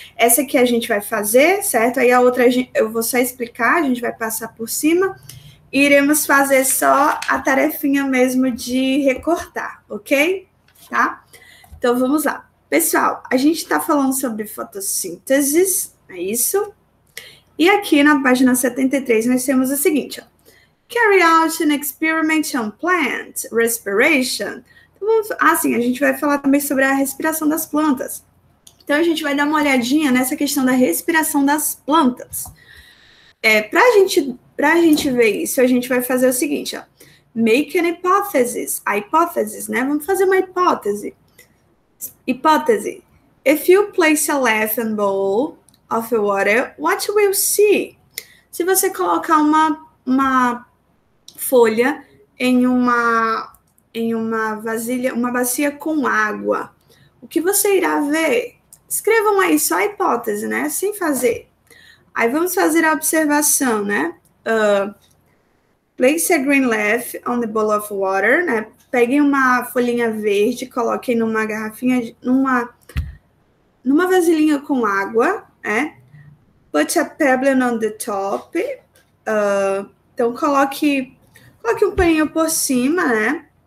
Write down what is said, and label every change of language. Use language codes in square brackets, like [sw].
[pt] Essa aqui a gente vai fazer, certo? Aí a outra eu vou só explicar, a gente vai passar por cima e iremos fazer só a tarefinha mesmo de recortar, ok? Tá? Então vamos lá. Pessoal, a gente está falando sobre fotossíntese, é isso? E aqui na página 73 nós temos o seguinte, ó. [en] Carry out an experiment on plant respiration. [pt] Então, assim, a gente vai falar também sobre a respiração das plantas. Então a gente vai dar uma olhadinha nessa questão da respiração das plantas. Para a gente ver isso, a gente vai fazer o seguinte, ó. [en] Make an hypothesis. [pt] A hipótese, né? Vamos fazer uma hipótese. Hipótese. [en] If you place a leaven bowl of water, what will you see? [pt] Se você colocar uma folha em uma vasilha, uma bacia com água, o que você irá ver? Escrevam aí só a hipótese, né? Sem fazer. Aí vamos fazer a observação, né? [en] Place a green leaf on the bowl of water, né? [pt] Peguem uma folhinha verde, coloquem numa garrafinha, numa vasilhinha com água, né? [en] Put a pebble on the top. [pt] Então, coloque um paninho por cima, né?